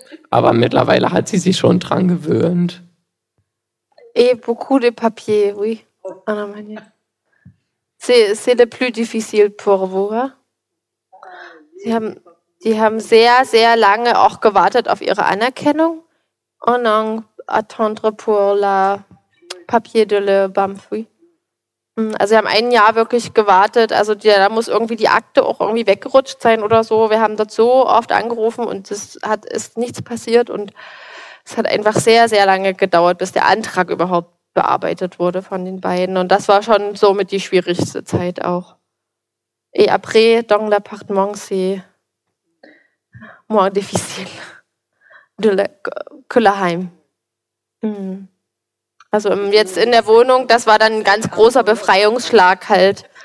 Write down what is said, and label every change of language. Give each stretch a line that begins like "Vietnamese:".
German: Aber mittlerweile hat sie sich schon dran gewöhnt.
French: Et beaucoup de papiers, oui. En Allemagne. C'est le plus difficile pour vous. Hein?
German: Die haben sehr, sehr lange auch gewartet auf ihre Anerkennung. Und dann
French: attendre pour la papier de la BAMF, oui.
German: Also, sie haben ein Jahr wirklich gewartet. Also, da muss irgendwie die Akte auch irgendwie weggerutscht sein oder so. Wir haben dort so oft angerufen und es ist nichts passiert. Und es hat einfach sehr, sehr lange gedauert, bis der Antrag überhaupt bearbeitet wurde von den beiden. Und das war schon somit die schwierigste Zeit auch.
French: Et après, dans l'appartement, c'est moins difficile de la Kullerheim.
German: Also jetzt in der Wohnung, das war dann ein ganz großer Befreiungsschlag halt.